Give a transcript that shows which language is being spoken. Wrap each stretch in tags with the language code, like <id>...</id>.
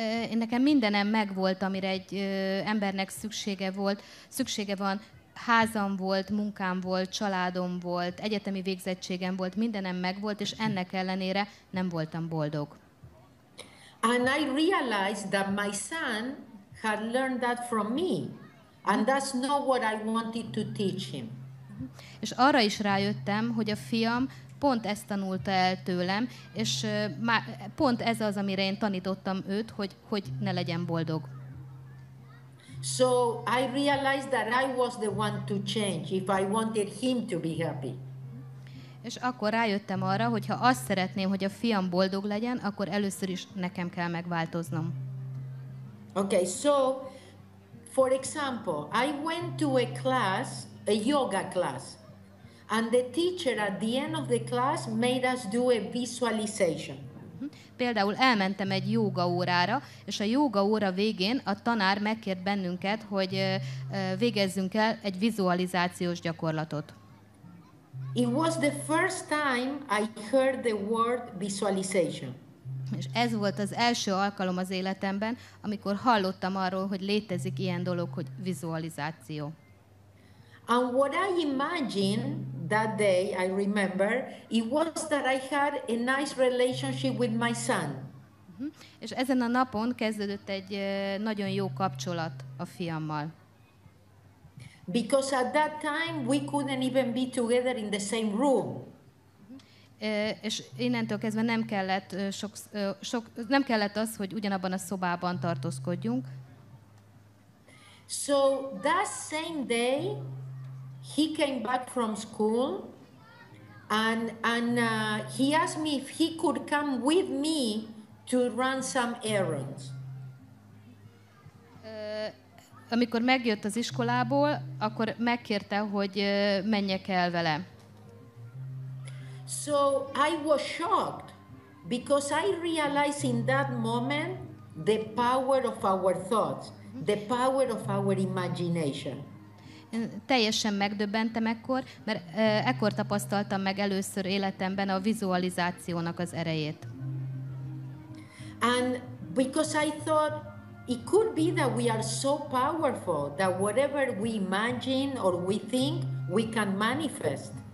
<hu>Én nekem mindenem megvolt, amire egy embernek szüksége van. Házam volt, munkám volt, családom volt, egyetemi végzettségem volt, mindenem megvolt, és ennek ellenére nem voltam boldog.</hu> <en>And I realized that my son had learned that from me, and that's not what I wanted to teach him.</en> <hu>És arra is rájöttem, hogy a fiam pont ezt tanulta el tőlem, és pont ez az, amire én tanítottam őt, hogy ne legyen boldog.</hu> <en>So I realized that I was the one to change if I wanted him to be happy.</en> <hu>És akkor rájöttem arra, hogy ha azt szeretném, hogy a fiam boldog legyen, akkor először is nekem kell megváltoznom.</hu> <en>Okay, so for example, I went to a class, a yoga class, and the teacher at the end of the class made us do a visualization.</en> <hu>Például elmentem egy jóga órára, és a jóga óra végén a tanár megkért bennünket, hogy végezzünk el egy vizualizációs gyakorlatot.</hu> <en>It was the first time I heard the word visualization.</en> <hu>És ez volt az első alkalom az életemben, amikor hallottam arról, hogy létezik ilyen dolog, hogy vizualizáció.</hu> <en>And what I imagine that day, I remember, it was that I had a nice relationship with my son.</en> <hu>És ezen a napon kezdődött egy nagyon jó kapcsolat a fiammal.</hu> <en>Because at that time we couldn't even be together in the same room.</en> <hu>És innentől kezdve nem kellett nem kellett az, hogy ugyanabban a szobában tartózkodjunk.</hu> <en>So that same day he came back from school and he asked me if he could come with me to run some errands.</en> <hu>Amikor megjött az iskolából, akkor megkérte, hogy menjek el vele.</hu> <en>So I was shocked because I realized in that moment the power of our thoughts, the power of our imagination.</en> <hu>Én teljesen megdöbbentem ekkor, mert ekkor tapasztaltam meg először életemben a vizualizációnak az erejét.</hu> <en>And because I thought it could be that we are so powerful that whatever we imagine or we think, we can manifest.</en>